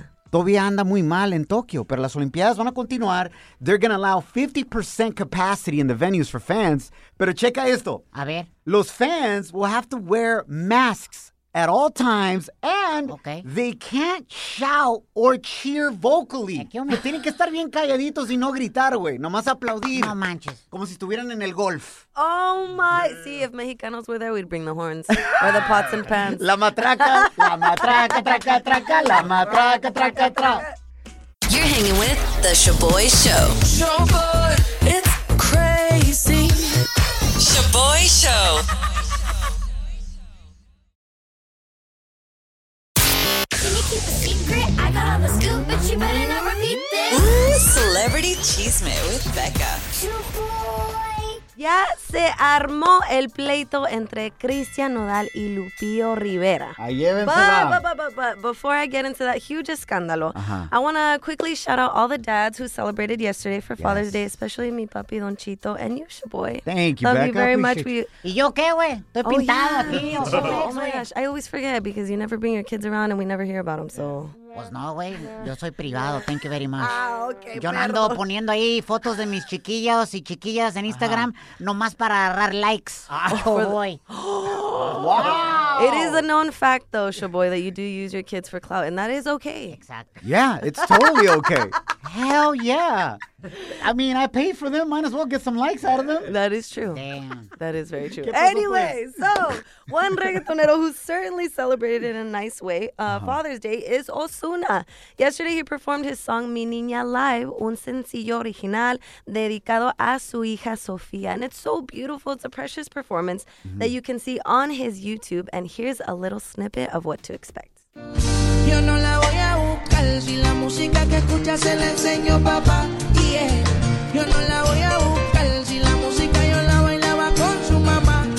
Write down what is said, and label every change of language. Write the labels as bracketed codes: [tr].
[es] todavía anda muy mal en Tokio, pero las Olimpiadas van a continuar. [en] They're going to allow 50% capacity in the venues for fans. [es] Pero checa esto. A ver. [en] Los fans will have to wear masks at all times, and they can't shout or cheer vocally. [es] Tienen que estar bien calladitos y no gritar, güey. Nomás aplaudir. No manches. Como si estuvieran en el golf. [en] Oh, my. Yeah. See, if Mexicanos were there, we'd bring the horns or the pots and pans. [es] La matraca, la matraca, traca, traca, la matraca, traca, traca. [en] You're hanging with The Sha'Boy Show. Sha'Boy, it's crazy. Sha'Boy Show. Celebrity Chisme with Becca. [es] Ya se armó el pleito entre Cristian Nodal y Lupillo Rivera. [en] But before I get into that huge escándalo, I want to quickly shout out all the dads who celebrated yesterday for Father's Day, especially mi papi Don Chito and you, Sha'Boy. Thank you, love Becca. Love you very much. [es] ¿Y yo qué, güey? Estoy pintada. [en] Oh, yeah. Oh, my gosh. I always forget because you never bring your kids around and we never hear about them, so... [es] Pues no, güey. Yo soy privado. [en] Thank you very much. Ah, okay. [es] Yo no ando poniendo ahí fotos de mis chiquillos y chiquillas en Instagram nomás para agarrar likes. [en] Sha'Boy. Wow. It is a known fact, though, Sha'Boy, that you do use your kids for clout, and that is okay. Exactly. Yeah, it's totally okay. Hell yeah. I mean, I paid for them. Might as well get some likes out of them. That is true. Damn. That is very true. Anyway, so one reggaetonero who certainly celebrated in a nice way Father's Day is Ozuna. Yesterday, he performed his song Mi Niña Live, [es] un sencillo original dedicado a su hija Sofía. [en] And it's so beautiful. It's a precious performance that you can see on his YouTube. And here's a little snippet of what to expect. [es] Yo no la voy a buscar si la música que escucha se la enseño papá. Yeah. Yo no la voy a buscar si la música yo la bailaba con su mamá.